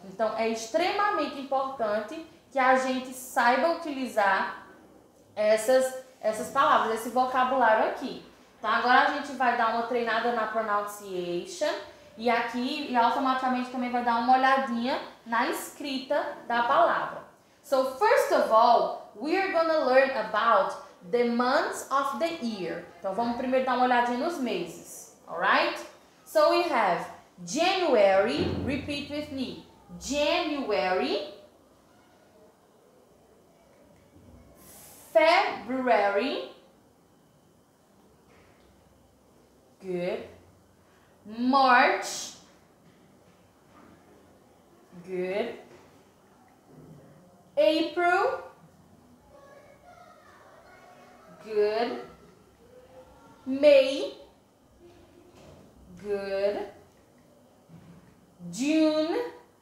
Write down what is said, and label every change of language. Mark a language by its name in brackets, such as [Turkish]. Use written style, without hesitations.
[Portuguese] Então, é extremamente importante que a gente saiba utilizar essas palavras, esse vocabulário aqui. Então, agora a gente vai dar uma treinada na pronunciation e aqui, e automaticamente também vai dar uma olhadinha na escrita da palavra. [English] So, first of all, we are going to learn about the months of the year. [Portuguese] Então, vamos primeiro dar uma olhadinha nos meses, alright? [English] So, we have January, repeat with me, January, February, good, March, good, April, good, May, good, June,